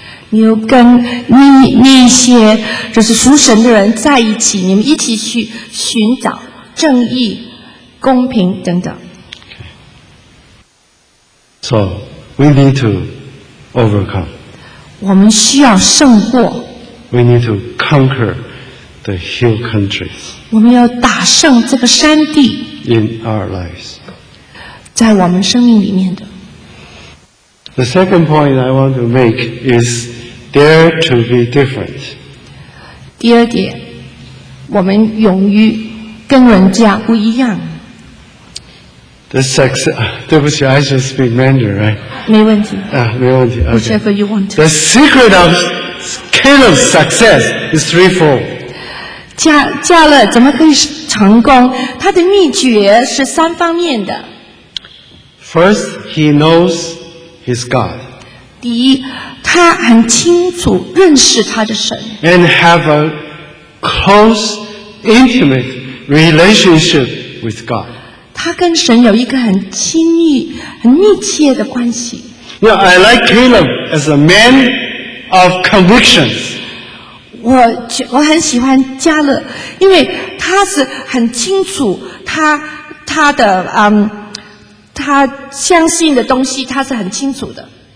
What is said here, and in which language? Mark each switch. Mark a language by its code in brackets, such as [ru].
[zh] 你要跟那些就是属神的人在一起，你们一起去寻找正义、公平等等。 [en] So we need to overcome. [zh] 我们需要胜过。 [en] We need to conquer the hill countries. [zh] 我们要打胜这个山地。 [en] In our lives. [zh] 在我们生命里面的。 [en] The second point I want to make is dare to be different. [zh] 第二点，我们勇于跟人家不一样。 [en] The sex, [zh] 对不起, [en] I should speak Mandarin, right? [zh] 没问题。没问题。 [en] Whichever you want. The secret of Caleb's success is threefold. [zh] 加勒怎么可以成功？他的秘诀是三方面的。 [en] First, he knows his God. [zh] 第一，他很清楚认识他的神。 [en] And have a close, intimate relationship with God. [zh] 他跟神有一个很亲密、很密切的关系。 [en] Yeah, I like Caleb as a man of convictions. [zh] 我很喜欢加勒，因为他是很清楚他的他相信的东西，他是很清楚的。